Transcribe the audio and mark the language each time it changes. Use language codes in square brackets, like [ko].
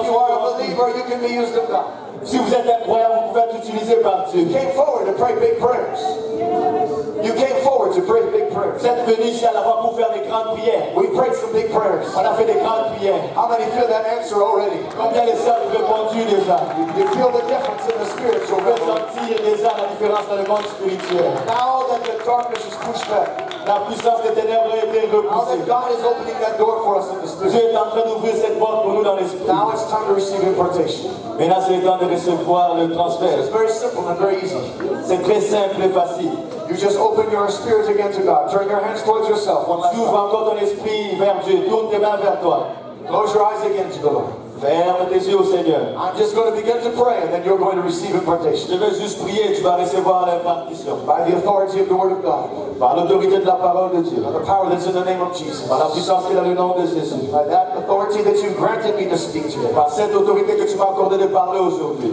[en] If you are a believer, you can be used of God. [fr] Si vous êtes un croyant, vous pouvez être utilisé par Dieu. [en] You came forward to pray big prayers. Yes. You came forward to pray big prayers. [fr] Vous êtes venu ici à la voix pour faire des grandes prières. [en] We prayed some big prayers. [fr] On a fait des grandes prières. [en] How many feel that answer already? [fr] Combien de gens ont répondu déjà? [en] You feel the difference in the spiritual realm. [fr] Vous sentez déjà la différence dans le monde spirituel. [en] Now that the darkness is pushed back. [fr] La puissance des ténèbres a été repoussée. [en] Now that God is opening that door for us in the spirit. [fr] Dieu est en train d'ouvrir cette porte pour nous dans l'esprit. [en] Now it's time to receive impartation. [fr] Maintenant, c'est le temps de recevoir le transfert. [en] It's very simple and very easy. [fr] C'est très simple et facile. [en] You just open your spirit again to God. Turn your hands towards yourself. [fr] Tu ouvres encore ton esprit vers Dieu. Tourne tes mains vers toi. [en] Close your eyes again to the Lord. [fr] Ferme tes yeux au Seigneur. [en] I'm just going to begin to pray and then you're going to receive impartation. [fr] Je vais juste prier et tu vas recevoir l'impartition. [en] By the authority of the word of God. [fr] Par l'autorité de la parole de Dieu. [en] By the power that's in the name of Jesus. [fr] Par la puissance qui est dans le nom de Jésus. [en] By that authority that you granted me to speak to. [fr] Par cette autorité que tu m'as accordé de parler aujourd'hui.